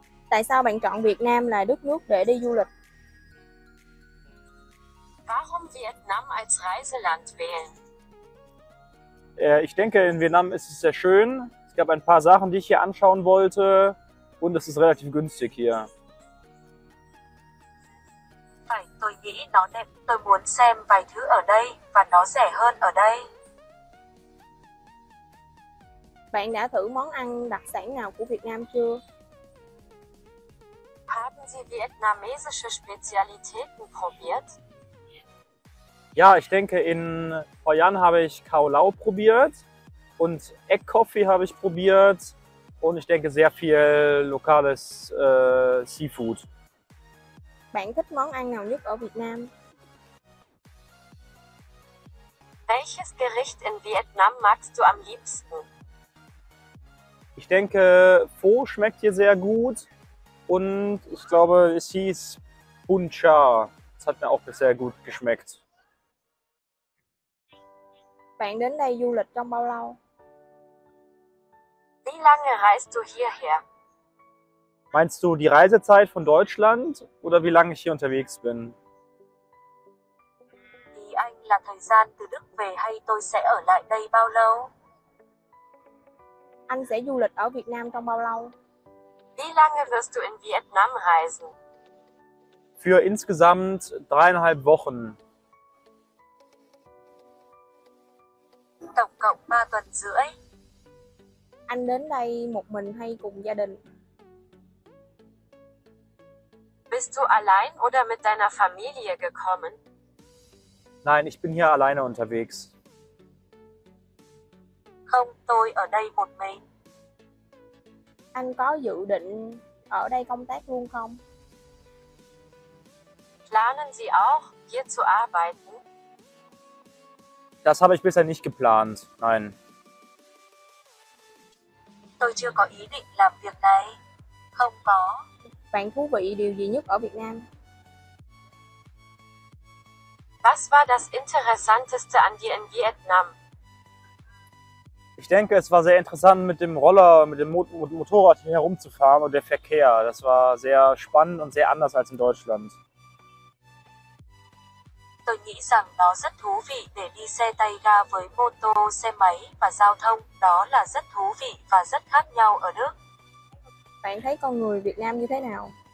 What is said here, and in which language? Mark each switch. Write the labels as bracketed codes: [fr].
[vi] Tại sao bạn chọn Việt Nam là đất nước để đi du lịch? [de] Warum Vietnam als Reiseland wählen? Ich denke, in Vietnam ist es sehr schön. Es gab ein paar Sachen, die ich hier anschauen wollte und es ist relativ günstig hier. [vi] Tôi nghĩ nó đẹp. Tôi muốn xem vài thứ ở đây và nó rẻ hơn ở đây. Bạn đã thử món ăn đặc sản nào của Việt Nam chưa? [de] Haben Sie vietnamesische Spezialitäten probiert? Ja, ich denke, in Hoi An habe ich Cao Lau probiert und Egg Coffee habe ich probiert und ich denke sehr viel lokales Seafood. [vi] Bạn thích món ăn nào nhất ở Việt Nam? [de] Welches Gericht in Vietnam magst du am liebsten? Ich denke, Pho schmeckt hier sehr gut und ich glaube, es hieß Bun Cha. Das hat mir auch sehr gut geschmeckt. [vi] Bạn đến đây du lịch trong bao lâu? [de] Wie lange reist du hierher? Meinst du die Reisezeit von Deutschland oder wie lange ich hier unterwegs bin? [vi] Ý anh là thời gian từ Đức về hay tôi sẽ ở lại đây bao lâu? Anh sẽ du lịch ở Việt Nam trong bao lâu? [de] Wie lange wirst du in Vietnam reisen? Für insgesamt 3,5 Wochen. [vi] Tổng cộng 3 tuần rưỡi. Anh đến đây một mình hay cùng gia đình? [de] Bist du allein oder mit deiner Familie gekommen? Nein, ich bin hier alleine unterwegs. [vi] Không, tôi ở đây một mình. Anh có dự định ở đây công tác luôn không? [de] Planen Sie auch hier zu arbeiten? Das habe ich bisher nicht geplant. Nein. [vi] Tôi chưa có ý định làm việc này. Không có. Bạn thú vị điều gì nhất ở Việt Nam? [de] Was war das interessanteste an dir in Vietnam? Ich denke, es war sehr interessant mit dem Roller, mit dem Motorrad hier herumzufahren und der Verkehr. Das war sehr spannend und sehr anders als in Deutschland. [vi] Tôi nghĩ rằng nó rất thú vị để đi xe tay ga với mô tô, xe máy và giao thông. Đó là rất thú vị và rất khác nhau ở Đức. Bạn thấy con người Việt Nam như thế nào?